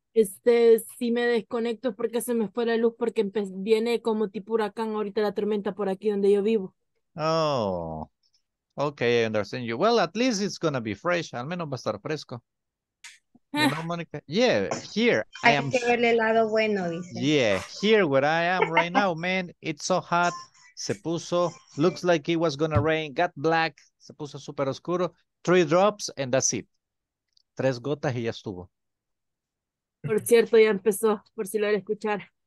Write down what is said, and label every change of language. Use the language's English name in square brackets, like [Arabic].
[Spanish] Sí me desconecto porque se me fue la luz porque viene como tipo huracán ahorita la tormenta por aquí donde yo vivo. Oh. [English] Okay, I understand you. Well, at least it's gonna be fresh. [Spanish] Al menos va a estar fresco. [English] No, Monica. Yeah, here [Spanish] hay [English] I am. [Spanish] Que ver el lado bueno, dice. [English] Yeah, here where I am right now, man, it's so hot. [Spanish] Se puso, [English] looks like it was gonna rain, got black, [Spanish] se puso super oscuro, [English] 3 drops and that's it. [Spanish] 3 gotas y ya estuvo. Por cierto, ya empezó, por si lo quieres escuchar.